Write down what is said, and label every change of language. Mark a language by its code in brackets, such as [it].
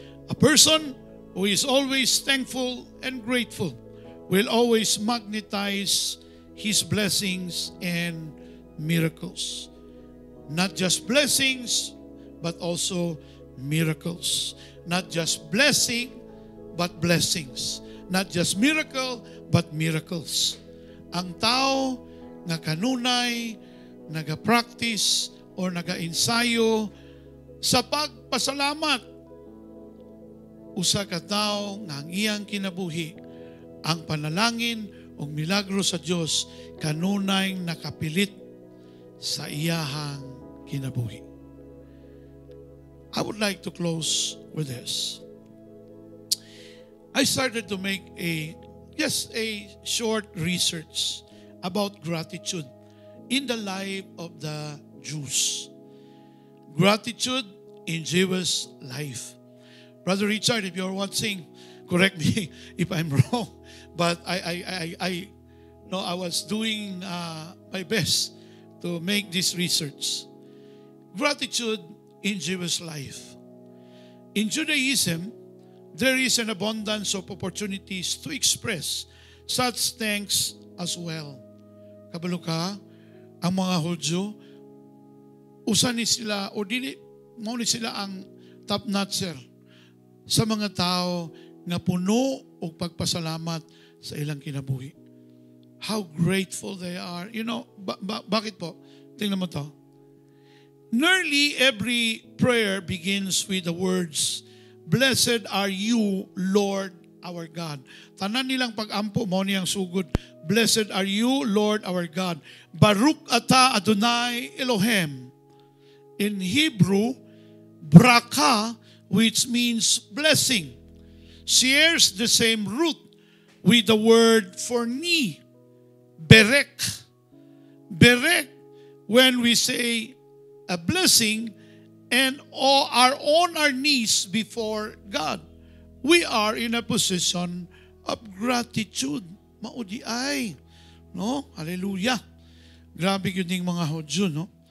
[en] A person who is always thankful and grateful will always magnetize his blessings and miracles. Not just blessings, but also miracles. Not just blessing, but blessings. Not just miracle, but miracles. [ceb] Ang tao nga kanunay, naga-practice, or naga-insayo sa pagpasalamat. Usa ka tao nga ang iyang kinabuhi, ang panalangin o milagro sa Diyos, kanunay nakapilit sa iyahang kinabuhi. [en] I would like to close with this. I started to make a short research about gratitude in the life of the Jews. Gratitude in Jewish life. Brother Richard, if you're watching, correct me if I'm wrong, but I was doing my best to make this research. Gratitude in Jewish life. In Judaism, there is an abundance of opportunities to express such thanks as well. [ceb] Kabalo ka, ang mga Hudyo, usa ni sila, o dili, mao ni sila ang top-notcher sa mga tao na puno o pagpasalamat sa ilang kinabuhi. [en] How grateful they are. You know, [tl] bakit po? Tingnan mo to. [en] Nearly every prayer begins with the words, "Blessed are you, Lord our God." [ceb] Tanan nilang pag-ampo mo niyang sugod. [en] "Blessed are you, Lord our God." [he] Baruch ata Adonai Elohim. [en] In Hebrew, Braka, which means blessing, shares the same root with the word for knee, Berek. Berek, when we say a blessing and are on our knees before God, we are in a position of gratitude. Maudiay. No? Hallelujah. [tl] Grabe yun yung mga Hudyo, no?